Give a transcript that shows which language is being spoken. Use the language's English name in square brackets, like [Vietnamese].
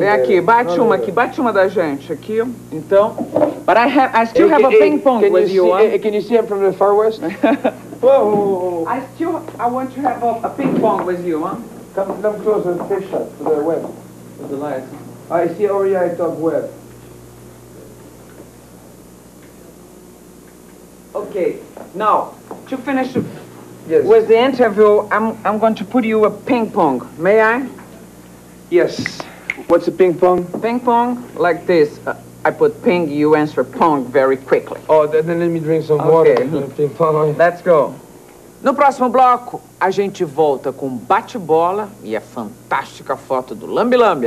[Portuguese] vem aqui, bate uma aqui, bate uma da gente aqui, então. [English] But I still have a ping pong can with you. You see, can you see I'm from the far west? Whoa! I want to have a ping pong with you, huh? Come closer, face shot for the web, for the light. I see already. I talk web. Okay, now to finish Yes. With the interview, I'm going to put you a ping pong. May I? Yes. What's a ping pong? Ping pong, like this. I put ping, you answer pong very quickly. Oh, then let me drink some water. Okay. Ping pong. Let's go. [Portuguese] No próximo bloco, a gente volta com bate-bola e a fantástica foto do Lambi Lambi.